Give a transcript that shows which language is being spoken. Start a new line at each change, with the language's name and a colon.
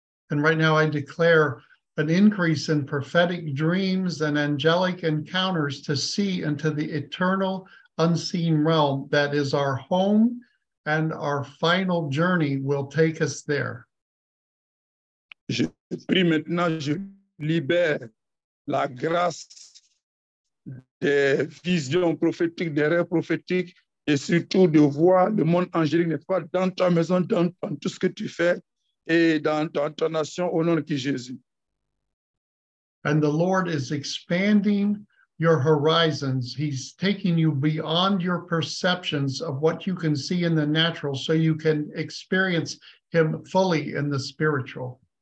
English: And right now I declare an increase in prophetic dreams and angelic encounters to see into the eternal unseen realm that is our home and our final journey will take us there.
French: Je prie maintenant, je libère la grâce des visions prophétiques, des rêves prophétiques et surtout de voir le monde angélique n'est pas dans ta maison, dans tout ce que tu fais et dans ta nation au nom de Jésus.
English: And the Lord is expanding your horizons. He's taking you beyond your perceptions of what you can see in the natural so you can experience him fully in the spiritual.